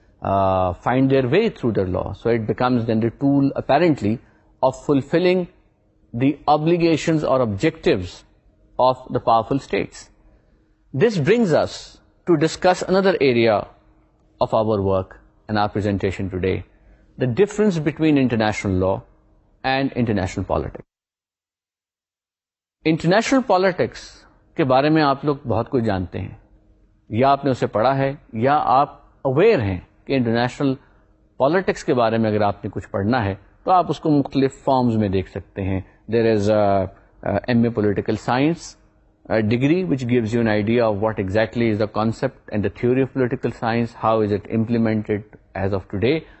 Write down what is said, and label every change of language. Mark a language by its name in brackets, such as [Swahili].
[English] find their way through the law. So it becomes then the tool, apparently, of fulfilling the obligations or objectives of the powerful states. This brings us to discuss another area of our work and our presentation today, the difference between international law and international politics. [Urdu] International politics کے بارے میں آپ لوگ بہت کچھ جانتے ہیں, یا آپ نے اسے پڑھا ہے, یا آپ اویئر ہیں کہ انٹرنیشنل پالیٹکس کے بارے میں اگر آپ نے کچھ پڑھنا ہے تو آپ اس کو مختلف فارمز میں دیکھ سکتے ہیں. [English] There is M A political science degree which gives you an idea of what exactly is the concept and the theory of political science, how is it implemented as of today.